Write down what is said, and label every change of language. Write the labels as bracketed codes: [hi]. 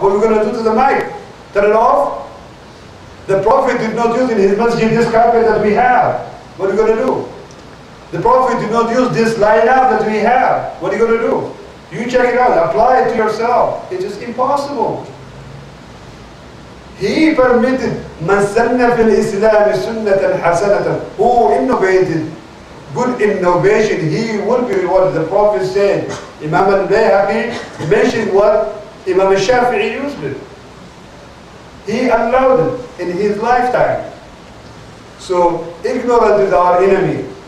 [en] What are we going to do to the mic? Turn it off? The Prophet did not use in his masjid this carpet that we have. What are you going to do? The Prophet did not use this lineup that we have. What are you going to do? You check it out, apply it to yourself. It is impossible. He permitted [ar] مَنْ سَنَّ فِي الْإِسْلَامِ سُنَّةً حَسَنَةً. [en] Who innovated good innovation, he will be rewarded. The Prophet said, Imam al-Bayhaqi mentioned what Imam al-Shafi'i used it. He allowed it in his lifetime. So ignorance is our enemy.